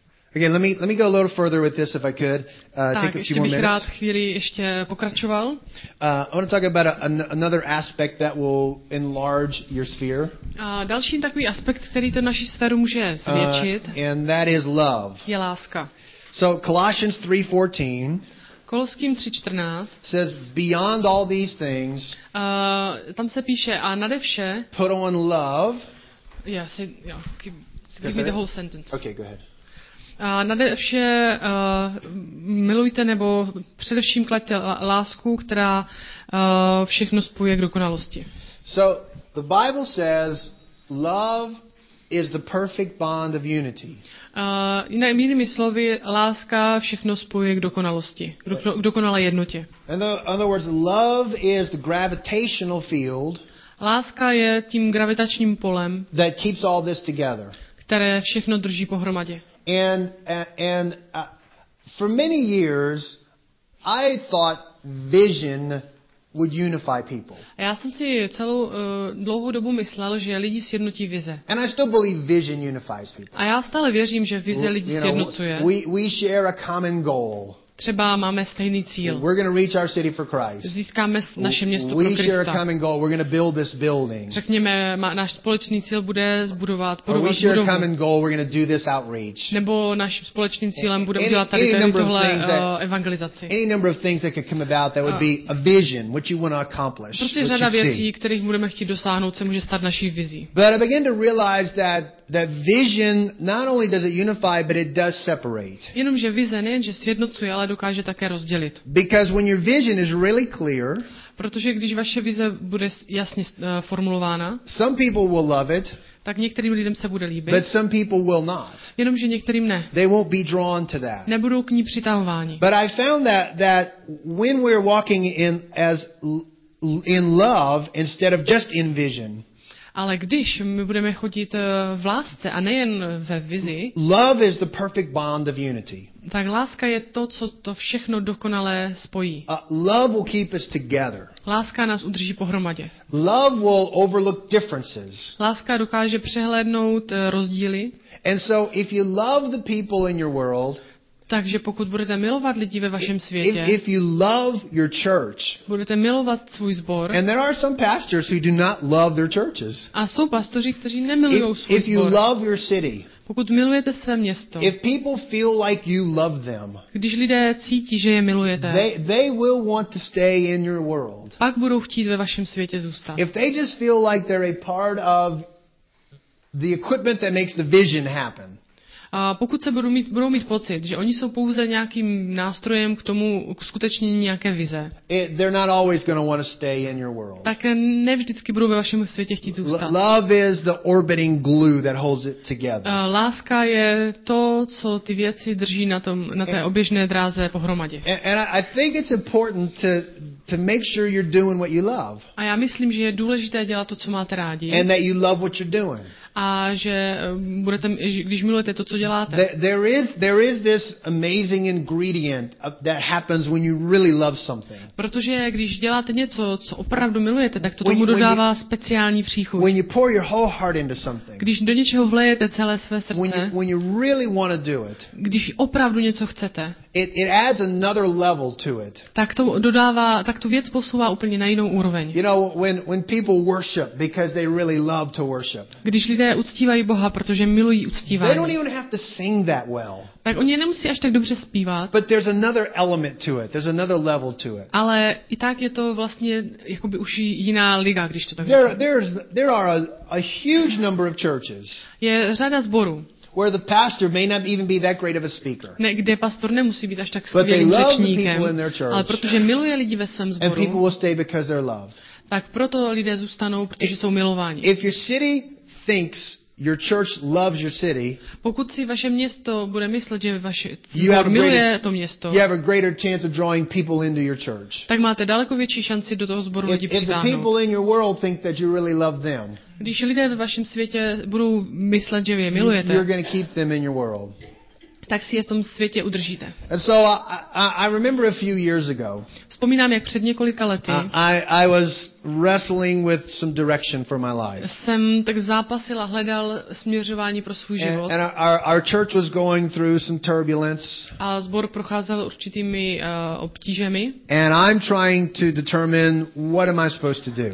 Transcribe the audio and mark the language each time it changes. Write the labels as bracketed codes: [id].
[en] Okay, let me go a little further with this if I could. Take a few more minutes. [cs] Tak, ještě bych rád chvíli ještě pokračoval. [en] I want to talk about another aspect that will enlarge your sphere. [cs] A další takový aspekt, který to naši sféru může zvětšit. [en] And that is love. [cs] Je láska. [en] So Colossians 3:14. [cs] Koloským 3:14. [en] Says beyond all these things. [cs] Tam se píše a nade vše. [en] Put on love. Yes, yeah. Give me the whole sentence. Okay, go ahead. [cs] A nade vše milujte nebo především klaďte lásku, která všechno spojuje k dokonalosti. [en] So the Bible says love is the perfect bond of unity. [cs] Jinými slovy, láska všechno spojuje k dokonalosti, k dokonalé jednotě. [en] In other words, love is the gravitational field. [cs] Láska je tím gravitačním polem, [en] that keeps all this together. [cs] Které všechno drží pohromadě. [en] And for many years I thought vision would unify people. [cs] Já jsem si celou dlouhou dobu myslel, že lidi sjednotí vize. [en] And I still believe vision unifies people. [cs] A já stále věřím, že vize lidi sjednocuje. [en] We share a common goal. [cs] Třeba máme stejný cíl. [en] We're going to reach our city for Christ. [cs] Získáme naše město [en] we [cs] pro Krista. [en] We share a common goal. We're going to build this building. [cs] Řekněme, náš společný cíl bude zbudovat budovu. [en] We share [cs] budovu. [en] A common goal. We're going to do this outreach. [cs] Nebo naším společným cílem bude udělat tady tohle evangelizaci. [en] Any number of things that could come about that would be a vision, what you want to accomplish. [cs] Prostě řada věcí, kterých budeme chtít dosáhnout, se může stát naší vizí. [en] But I begin to realize that vision not only does it unify, but it does separate. [cs] Jenomže vize nejenže sjednocuje, ale dokáže také rozdělit. [en] Because when your vision is really clear, [cs] protože když vaše vize bude jasně formulována, [en] some people will love it, [cs] tak některým lidem se bude líbit. [en] But some people will not. [cs] Jenomže některým ne. [en] They won't be drawn to that. [cs] Nebudou k ní přitahováni. [en] But I found that when we're walking in as in love instead of just in vision. [cs] Ale když my budeme chodit v lásce a nejen ve vizi. [en] Love is the perfect bond of unity. [cs] Tak láska je to, co to všechno dokonale spojí. [en] Love will keep us together. [cs] Láska nás udrží pohromadě. [en] Love will overlook differences. [cs] Láska dokáže přehlédnout rozdíly. [en] And so if you love the people in your world, [cs] takže pokud budete milovat lidi ve vašem světě, [en] if you love your church, [cs] budete milovat svůj sbor, [en] and there are some pastors who do not love their churches, [cs] a jsou pastoři, kteří nemilují svůj sbor, [en] if you love your city, [cs] pokud milujete své město, [en] if people feel like you love them, [cs] když lidé cítí, že je milujete, [en] they will want to stay in your world, [cs] pak budou chtít ve vašem světě zůstat. [en] If they just feel like they're a part of the equipment that makes the vision happen. [cs] A pokud se budou mít pocit, že oni jsou pouze nějakým nástrojem k tomu k skutečnění nějaké vize. [en] They're not always going to want to stay in your world. [cs] Tak ne vždycky budou ve vašem světě chtít zůstat. [en] Love is the orbiting glue that holds it together. [cs] Láska je to, co ty věci drží na té oběžné dráze pohromadě. [en] And I think it's important to make sure you're doing what you love. [cs] A já myslím, že je důležité dělat to, co máte rádi. [en] And that you love what you're doing. [cs] A že budete, když milujete to, co děláte. [en] There is this amazing ingredient that happens when you really love something. [cs] Protože když děláte něco, co opravdu milujete, tak to tomu dodává speciální příchuť. [en] When you pour your whole heart into something. [cs] Když do něčeho vlejete celé své srdce. [en] When you really want to do it. [cs] Když opravdu něco chcete. [en] It adds another level to it. [cs] Tak to dodává, tak tu věc posouvá úplně na jinou úroveň. [en] You know, when people worship because they really love to worship. [cs] Když lidé uctívají Boha, protože milují uctívání. [en] They don't even have to sing that well. [cs] Tak oni nemusí až tak dobře zpívat. [en] But there's another element to it. There's another level to it. [cs] Ale i tak je to vlastně jakoby už jiná liga, když to tak říkám. [en] There are a huge number of churches. [cs] Je řada sborů. [en] Where the pastor may not even be that great of a speaker. [cs] Ne, kde pastor nemusí být až tak skvělým řečníkem. Ale protože miluje lidi ve svém sboru. [en] And people will stay because they're loved. [cs] Tak proto lidé zůstanou, protože jsou milováni. [en] If your city thinks your church loves your city. [cs] Pokud si vaše město bude myslet, že vaše sbor miluje to město. [en] You have a greater chance of drawing people into your church. [cs] Tak máte daleko větší šanci do toho sboru lidi přitáhnout. [en] If the people in your world think that you really love them. [cs] Když lidé ve vašem světě budou myslet, že je milujete. [en] You're going to keep them in your world. [cs] Tak si je v tom světě udržíte. [en] And so I remember a few years ago. [cs] Vzpomínám, jak před několika lety. [en] I was wrestling with some direction for my life. [cs] Jsem tak zápasila, hledal směřování pro svůj život. [en] And our church was going through some turbulence. [cs] A sbor procházel určitými obtížemi. [en] And I'm trying to determine what am I supposed to do.